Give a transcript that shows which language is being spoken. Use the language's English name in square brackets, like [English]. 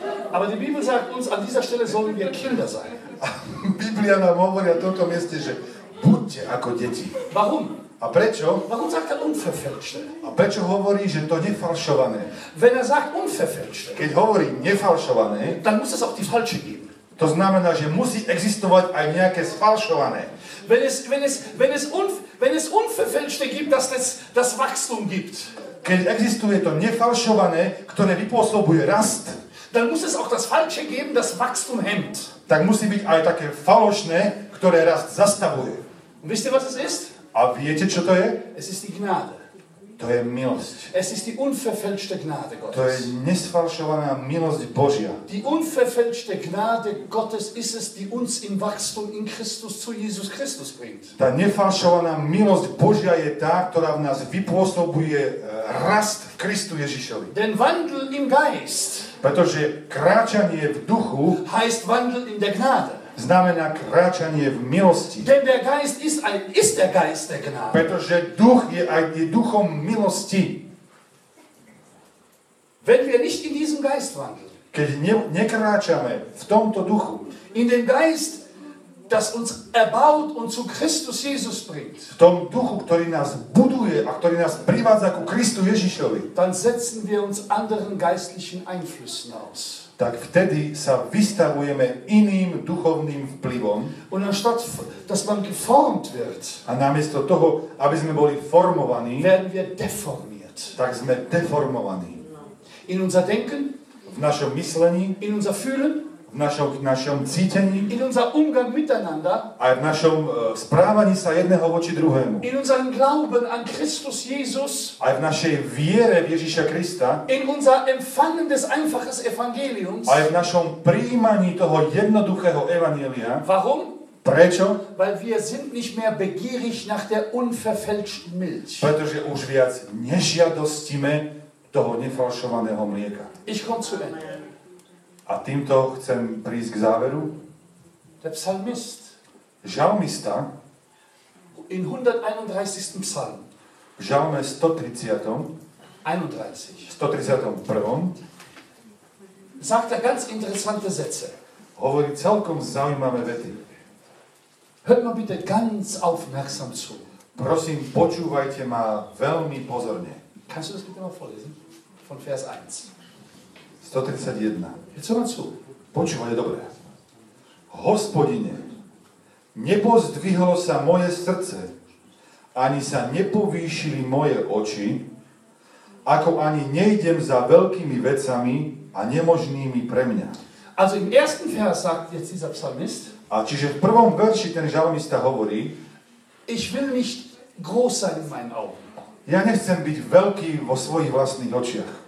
[German] Aber die Bibel sagt uns, an dieser Stelle sollen wir Kinder sein. [Slovak] Biblia nám hovorí na tomto mieste, že buďte ako deti. [German] Warum? [Slovak] A prečo? [German] Warum sagt er unverfälschte? [Slovak] A prečo hovorí, že to nefalšované? [German] Wenn er sagt unverfälschte. [Slovak] Keď hovorí nefalšované, [German] dann muss es auch die falsche geben. [Slovak] To znamená, že musí existovať aj nejaké sfalšované. [German] Wenn es unverfälschte gibt, dass das Wachstum gibt. [Slovak] Keď existuje to nefalšované, ktoré vypôsobuje rast, [German] dann muss es auch das falsche geben, das Wachstum hemmt. [Slovak] Tak musí byť aj také falošné, ktoré rast zastavuje. [German] Wisst ihr, was es ist? [Slovak] A viete, čo to je? [German] Es ist die Gnade. [Slovak] To je milosť. [German] Es ist die unverfälschte Gnade Gottes. [Slovak] To je nesfalšovaná milosť Božia. [German] Die unverfälschte Gnade Gottes ist es, die uns im Wachstum in Christus zu Jesus Christus bringt. [Slovak] Tá nefalšovaná milosť Božia je tá, ktorá v nás vypôsobuje rast v Kristu Ježišovi. [German] Den Wandel im Geist. [Slovak] Pretože kráčanie v duchu [German] heißt Wandel in der Gnade. [Slovak] Znamená kráčanie v milosti. [German] Denn der Geist ist der Geist der Gnade. [Slovak] Pretože duch je aj duchom milosti. [German] Wenn wir nicht in diesem Geist wandeln, [Slovak] keď nekráčame v tomto duchu, [German] in dem Geist, das uns erbaut und zu Christus Jesus bringt, [Slovak] v tom duchu, ktorý nás buduje a ktorý nás privádza ku Kristu Ježišovi, [German] dann setzen wir uns anderen geistlichen Einflüssen aus. [Slovak] Tak vtedy sa vystavujeme iným duchovným vplyvom. [German] Und anstatt dass man geformt wird, [Slovak] a namiesto toho, aby sme boli formovaní, [German] werden wir deformiert. [Slovak] Tak sme deformovaní. [German] In unser Denken, [Slovak] v našom myslení, [German] in unser Fühlen, [Slovak] v našom cítení, [German] in unser Umgang miteinander, [Slovak] aj v našom správaní sa jedného voči druhému, [German] in unserem Glauben an Christus Jesus, [Slovak] aj v našej viere v Ježiša Krista, [German] in unser Empfangen des einfachen Evangeliums, [Slovak] aj v našom príjmaní toho jednoduchého evanjelia. [German] Warum? [Slovak] Prečo? [German] Weil wir sind nicht mehr begierig nach der unverfälschten Milch. [Slovak] Pretože už viac nežiadostíme toho nefalšovaného mlieka. [German] Ich komme zu Ende. [Slovak] A týmto chcem prísť k záveru. [German] Der Psalmist. [Slovak] Žalmista. [German] In 131. Psalm. [Slovak] V Žalme 130. 131. [German] Sagt er ganz interessante Sätze. [Slovak] Hovorí celkom zaujímavé vety. [German] Hört mal bitte ganz aufmerksam zu. [Slovak] Prosím, počúvajte ma veľmi pozorne. [German] Kannst du das bitte mal vorlesen? Von Vers 1. 131. [Slovak] Co mám sú? Počúvajte dobre. Hospodine, nepozdvihlo sa moje srdce, ani sa nepovýšili moje oči, ako ani nejdem za veľkými vecami a nemožnými pre mňa. [German] Also im ersten Vers sagt jetzt dieser Psalmist, [Slovak] a čiže v prvom verši ten žalmista hovorí, [German] ich will nicht groß sein in meinen Augen. [Slovak] Ja nechcem byť veľký vo svojich vlastných očiach.